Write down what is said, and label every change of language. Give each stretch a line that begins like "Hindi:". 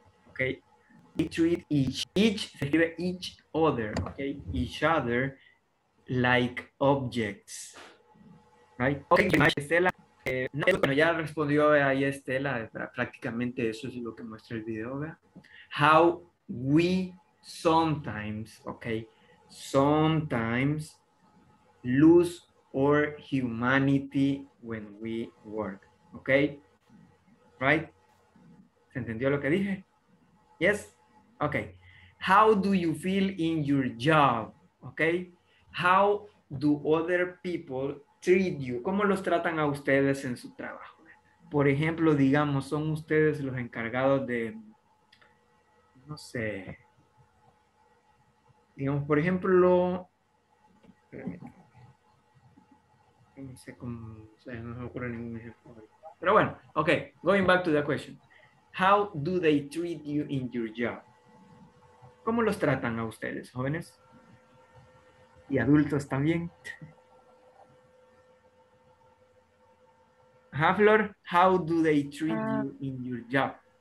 English: Okay. Each
Spanish: se escribe
English: each other, okay? Each other like objects. Right?
Spanish: Okay, Estela, bueno, ya respondió ahí Estela, prácticamente eso es lo que muestra el video, ¿verdad?
English: How we sometimes, okay? Sometimes lose our humanity when we work, okay? Right?
Spanish: ¿Se entendió lo que dije?
English: Yes? Okay. How do you feel in your job? Okay. How do other people treat you?
Spanish: ¿Cómo los tratan a ustedes en su trabajo? Por ejemplo, digamos, son ustedes los encargados de, no sé, digamos, por ejemplo, no sé cómo, no se me ocurre ningún ejemplo. Pero bueno,
English: okay, going back to the question. How do they treat you in your job?
Spanish: ¿Cómo los tratan a ustedes, jóvenes? Y adultos también.
English: Ajá, Flor, how do they treat you in your job?